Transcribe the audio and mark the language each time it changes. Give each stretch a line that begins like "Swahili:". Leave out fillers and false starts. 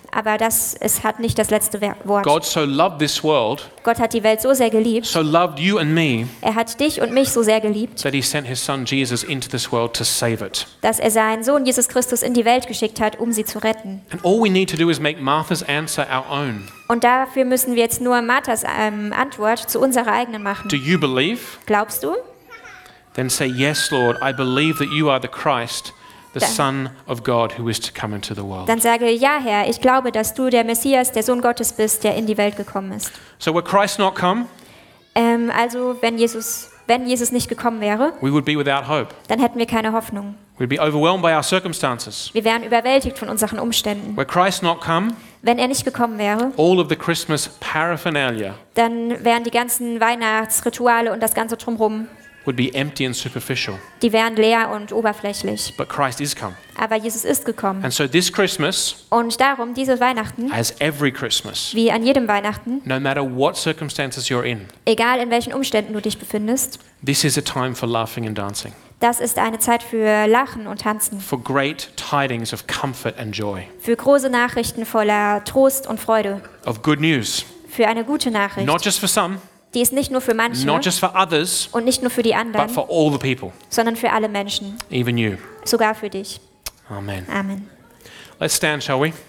German: Aber das es hat nicht das letzte Wort.
English: God so loved this world.
German: Gott hat die Welt so sehr geliebt.
English: So loved you and me.
German: Er hat dich und mich so sehr geliebt.
English: That he sent his son Jesus into this world to save it.
German: Dass er seinen Sohn Jesus Christus in die Welt geschickt hat, um sie zu retten.
English: And all we need to do is make Martha's answer our own.
German: Und dafür müssen wir jetzt nur Marthas Antwort zu unserer eigenen machen.
English: Do you believe?
German: Glaubst du?
English: then say, yes, Lord, I believe that you are the Christ, the Son of God, who is to come into the world.
German: Dann sage, ja, Herr, ich glaube, dass du der Messias, der Sohn Gottes bist, der in die Welt gekommen ist.
English: So were Christ not come?
German: Also wenn Jesus nicht gekommen wäre,
English: we would be without hope.
German: Dann hätten wir keine Hoffnung.
English: We'd be overwhelmed by our circumstances.
German: Wir wären überwältigt von unseren Umständen.
English: Were Christ not come?
German: Wenn er nicht gekommen wäre,
English: all of the Christmas paraphernalia,
German: dann wären die ganzen Weihnachtsrituale und das ganze drumherum,
English: would be empty and superficial.
German: Die wären leer und oberflächlich.
English: But Christ is come.
German: Aber Jesus ist gekommen.
English: And so this Christmas,
German: und darum dieses Weihnachten,
English: as every Christmas,
German: wie an jedem Weihnachten,
English: no matter what circumstances you're in,
German: egal in welchen Umständen du dich befindest,
English: this is a time for laughing and dancing.
German: Das ist eine Zeit für Lachen und Tanzen.
English: For great tidings of comfort and joy.
German: Für große Nachrichten voller Trost und Freude.
English: Of good news.
German: Für eine gute Nachricht.
English: Not just for some.
German: Die ist nicht nur für manche.
English: Not just for others.
German: Und nicht nur für die anderen.
English: But for all the people.
German: Sondern für alle Menschen.
English: Even you.
German: Sogar für dich.
English: Amen.
German: Amen.
English: Let's stand, shall we?